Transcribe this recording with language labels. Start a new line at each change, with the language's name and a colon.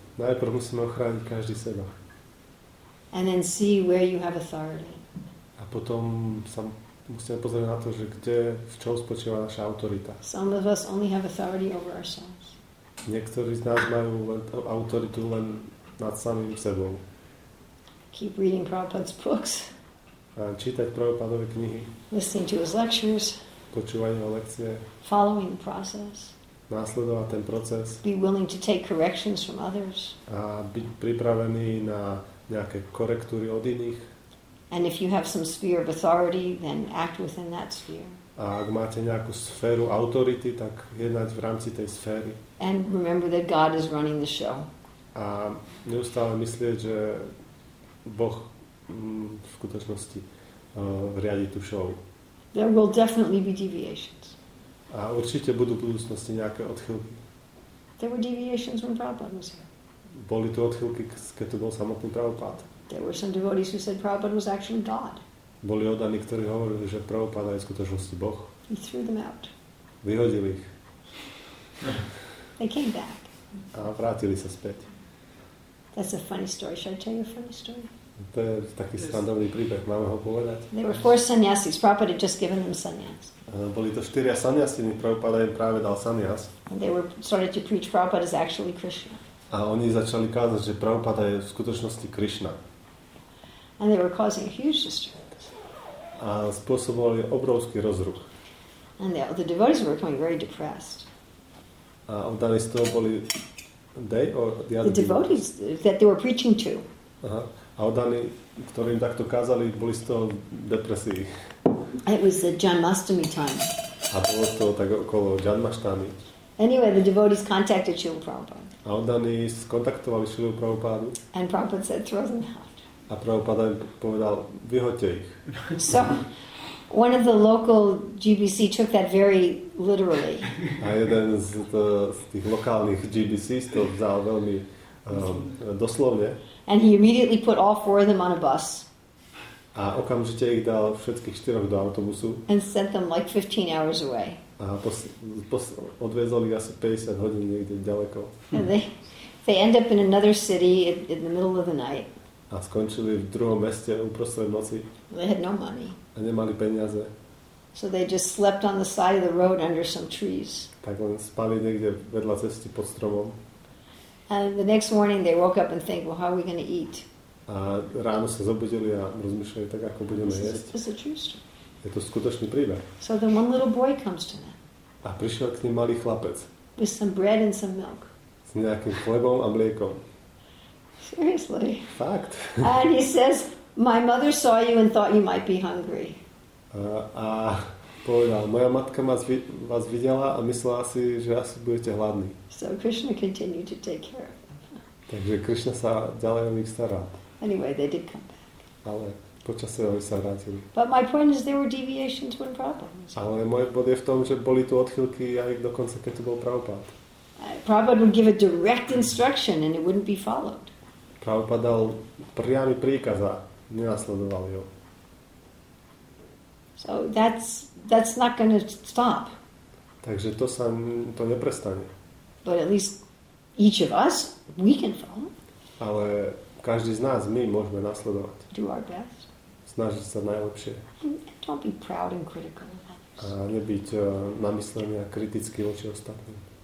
Slovak: Najprv musíme ochrániť každý seba.
English: And then see where you have authority.
Slovak: A potom sa musíme pozrieť na to, že kde, v čom spočíva naša autorita.
English: Some of us only have authority over ourselves.
Slovak: Niektorí z nás majú autoritu len nad samým sebou.
English: Keep reading Prabhupada's books.
Slovak: A čítať Prabhupadove knihy.
English: Listening to his lectures.
Slovak: Počúvať jeho lekcie.
English: Following the process.
Slovak: Nasledovať ten proces.
English: Be willing to take corrections from others.
Slovak: A byť pripravený na nejaké korektúry od iných.
English: And if you have some sphere of authority, then act within that sphere.
Slovak: A ak máte nejakú sféru autority, tak jednať v rámci tej sféry.
English: And remember that God is running the show.
Slovak: A neustále myslieť, že Boh v skutočnosti riadi tú show.
English: There will definitely be deviations.
Slovak: A určite budú v budúcnosti nejaké odchylky.
English: There were deviations when Prabhupada was here.
Slovak: Boli tu odchylky, keď tu bol samotný Prabhupada.
English: There were some devotees who said Prabhupada was actually God.
Slovak: Boli oddaní, ktorí hovorili, že Prabhupada je v skutočnosti Boh.
English: He threw them out.
Slovak: Vyhodil ich.
English: They came back.
Slovak: A vrátili sa späť.
English: That's a funny story. Should I tell you a funny story?
Slovak: To je taký skandálny príbeh. Máme ho povedať?
English: They were four sannyasis. Prabhupada had just given them sannyas.
Slovak: Boli to štyria sannyasiny. Prabhupada im práve dal sannyas.
English: And they were started to preach Prabhupada is actually Krishna.
Slovak: A oni začali kázať, že Prabhupada je v skutočnosti Krishna.
English: And they were causing a huge disturbance.
Slovak: A spôsobovali obrovský rozruch.
English: And the devotees were becoming very depressed.
Slovak: A oddaní z toho boli
English: the devotees that they were preaching to.
Slovak: Aha. A oddaní, ktorí im takto kázali, boli z toho depresii.
English: It was the Janmashtami time.
Slovak: A bolo to tak okolo Janmashtami.
English: Anyway, the devotees contacted Srila Prabhupada.
Slovak: A oddaní skontaktovali Srilu Prabhupádu.
English: And Prabhupada said, throw them out.
Slovak: A Prabhupada im povedal, vyhoďte ich.
English: So, one of the local GBC took that very literally.
Slovak: A jeden z tých lokálnych GBC to vzal veľmi doslovne.
English: And he immediately put all four of them on a bus.
Slovak: A okamžite ich dal všetkých štyroch do autobusu.
English: And sent them like 15 hours away.
Slovak: A odviezol ich asi 50 hodín niekde ďaleko.
English: And they end up in another city in the middle of the night.
Slovak: A skončili v druhom meste uprostred noci.
English: They had no money.
Slovak: A nemali peniaze.
English: So they just slept on the side of the road under some trees.
Slovak: Tak len spali niekde vedľa cesty pod stromom.
English: And the next morning they woke up and think, well, how are we going to eat?
Slovak: A ráno sa zobudili a rozmýšľali, tak ako budeme jesť.
English: This is a true story.
Slovak: Je to skutočný príbeh.
English: So then one little boy comes to them.
Slovak: A prišiel k ním malý chlapec.
English: With some bread and some milk.
Slovak: S nejakým chlebom a mliekom.
English: Seriously.
Slovak: Fakt.
English: And he says, my mother saw you and thought you might be hungry.
Slovak: A povedal, moja matka vás videla a myslela si, že asi budete hladný.
English: So Krishna continued to take care of them.
Slovak: Takže Krishna sa ďalej o nich stará.
English: Anyway, they did come back.
Slovak: Ale počasie oni sa vrátili.
English: But my point is there were deviations when Prabhupada was.
Slovak: Ale môj bod je v tom, že boli tu odchylky aj dokonca, keď tu bol Prabhupada.
English: Prabhupada would give a direct instruction and it wouldn't be followed.
Slovak: Prabhupada dal priamy príkaz a nenasledovali ho.
English: So that's not going to stop.
Slovak: Takže to neprestane.
English: But at least each of us we can follow.
Slovak: Ale každý z nás my môžeme nasledovať.
English: Do our best.
Slovak: Snažiť sa najlepšie.
English: Don't be proud and critical.
Slovak: A nebyť namyslený a kritický voči ostatným.